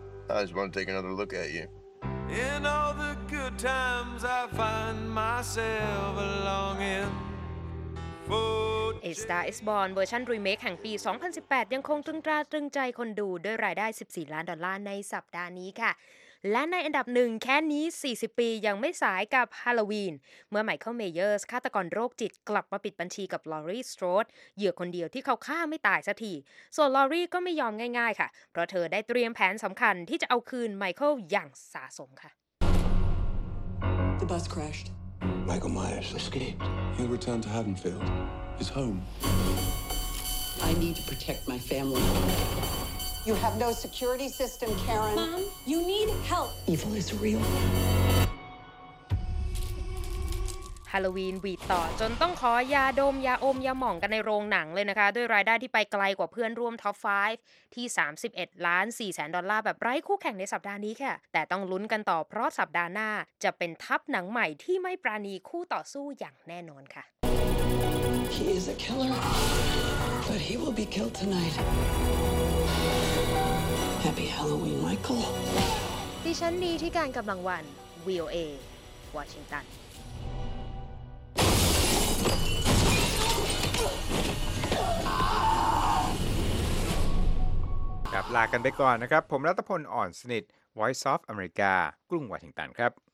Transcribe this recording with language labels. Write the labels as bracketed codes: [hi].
[en] I just want to take another look at you. In all the good times, I find myself longing for. [th] A Star Is Born เวอร์ชันรีเมคแห่งปี2018ยังคงตรึงตราตรึงใจคนดูด้วยรายได้14ล้านดอลลาร์ในสัปดาห์นี้ค่ะและในอันดับ1แค่นี้40ปียังไม่สายกับฮาโลวีนเมื่อไมเคิลเมเยอร์สฆาตกรโรคจิตกลับมาปิดบัญชีกับลอรีสโตรดเหยื่อคนเดียวที่เขาฆ่าไม่ตายสักทีส่วนลอรีก็ไม่ยอมง่ายๆค่ะเพราะเธอได้เตรียมแผนสำคัญที่จะเอาคืนไมเคิลอย่างสาสมค่ะ [en] The bus crashed Michael Myers escaped He'll return to Haddonfield His home I need to protect my family You have no security system, Karen. Mom, you need help. Evil is real. [th] Halloween วีดต่อจนต้องขอยาดมยาอมยาหม่องกันในโรงหนังเลยนะคะด้วยรายได้ที่ไปไกลกว่าเพื่อนร่วมท็อป5ที่31ล้าน4แสนดอลลาร์แบบไร้คู่แข่งในสัปดาห์นี้ค่ะแต่ต้องลุ้นกันต่อเพราะสัปดาห์หน้าจะเป็นทัพหนังใหม่ที่ไม่ปราณีคู่ต่อสู้อย่างแน่นอนค่ะ [en] He is a killer, but he will be killed tonightHappy Halloween, Michael. [th] ดิฉันดีที่การกำลังวัน VOA Washington. กลับลากันไปก่อนนะครับผมรัตพลอ่อนสนิท Voice of America กรุงวอชิงตันครับ